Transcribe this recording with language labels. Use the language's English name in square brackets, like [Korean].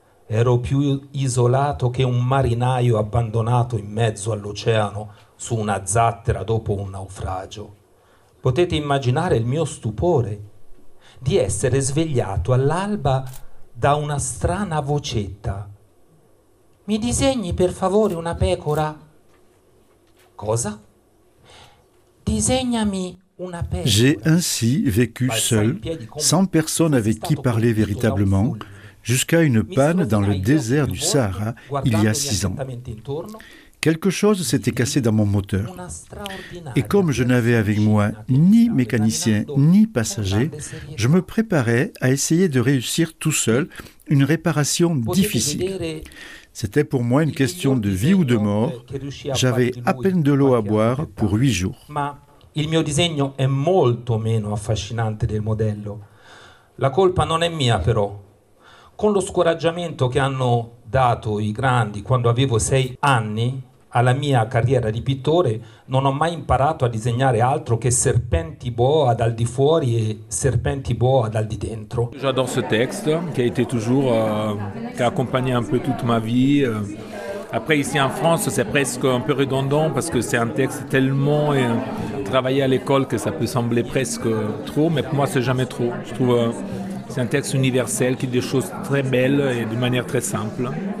[Italian] Ero più isolato che un marinaio abbandonato in mezzo all'oceano su una zattera dopo un naufragio. Potete immaginare il mio stupore di essere svegliato all'alba da una strana vocetta. «Mi disegni per favore una pecora?» «Cosa?» «Disegnami...» [French] J'ai ainsi vécu seul, sans personne avec qui parler véritablement, jusqu'à une panne dans le désert du Sahara, il y a 6 ans. Quelque chose s'était cassé dans mon moteur. Et comme je n'avais avec moi ni mécanicien, ni passager, je me préparais à essayer de réussir tout seul une réparation difficile. C'était pour moi une question de vie ou de mort. J'avais à peine de l'eau à boire pour 8 jours. [Italian] Il mio disegno è molto meno affascinante del modello. La colpa non è mia, però. Con lo scoraggiamento che hanno dato i grandi quando avevo 6 anni, alla mia carriera di pittore, non ho mai imparato a disegnare altro che serpenti boa dal di fuori e serpenti boa dal di dentro. [French] J'adore ce texte qui a été toujours qui a accompagné un peu toute ma vie. Après ici en France, c'est presque un peu redondant parce que c'est un texte tellement travaillé à l'école que ça peut sembler presque trop, mais pour moi c'est jamais trop. Je trouve c'est un texte universel qui dit des choses très belles et de manière très simple.